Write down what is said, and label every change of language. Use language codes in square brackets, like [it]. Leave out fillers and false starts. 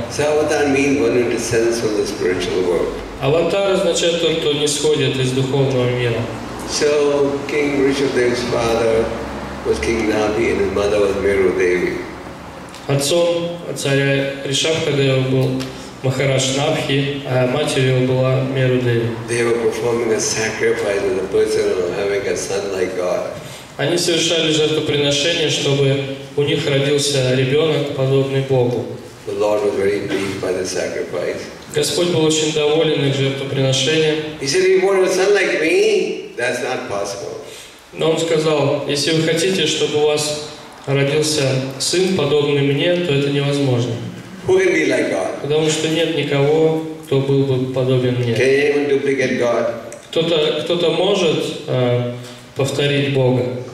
[en] So Avatar means one who descends from the spiritual world. [ru] Аватар означает тот, кто не сходит из духовного мира. [en] So King Rishabhadev's father was King Nabi and his mother was Meru Devi. [ru] Отцом царя Ришабхадева был Махарадж Набхи, а матерью была Меру Деви. [en] They were performing a sacrifice as a person of having a son like God. [ru] Они совершали жертвоприношение, чтобы у них родился ребенок, подобный Богу. [en] The Lord was very pleased by the sacrifice. [ru] Господь был очень доволен их жертвоприношением. [en] He said, "If you want a son like me, that's not possible." [ru] Но он сказал, если вы хотите, чтобы у вас родился сын, подобный мне, то это невозможно. [en] Who can be like God? [ru] Потому что нет никого, кто был бы подобен мне. [en] Can anyone duplicate God? [ru] Кто-то может повторить Бога.